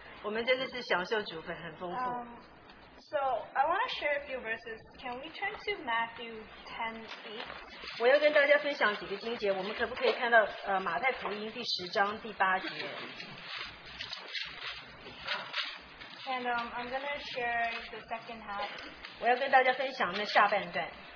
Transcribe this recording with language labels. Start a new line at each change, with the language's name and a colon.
Chinese: 我们真的是享受主份很丰富。
English: So I want to share a few verses. Can we turn to Matthew 10:8?
Chinese: 我要跟大家分享几个经节，我们可不可以看到马太福音第10章第8节？
English: And I'm going to share the second half.
Chinese: 我要跟大家分享那下半段。